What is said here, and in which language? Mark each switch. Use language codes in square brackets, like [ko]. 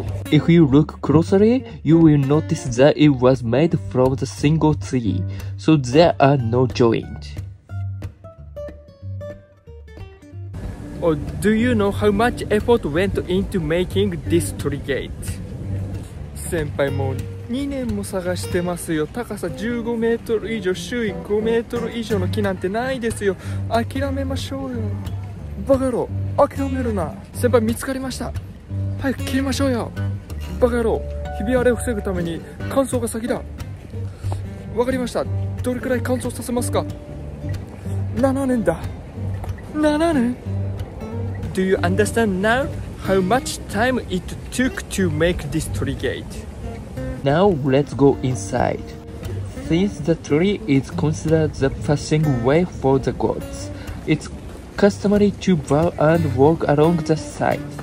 [en] If you look closely, you will notice that it was made from the single tree, so there are no joints. Oh, do you know how much effort went into making this tree gate? [ja] Senpai mo 2年も探してますよ。高さ15メートル以上、周囲5メートル以上の木なんてないですよ。諦めましょうよ。バカ野郎、諦めるな。先輩見つかりました。早く切りましょうよ。バカ野郎、ひび割れを防ぐために乾燥が先だ。わかりました。どれくらい乾燥させますか。 7年だ。7年? [en] Do you understand now how much time it took to make this tree gate? Now let's go inside. Since the tree is considered the passing way for the gods, it's customary to bow and walk along the side.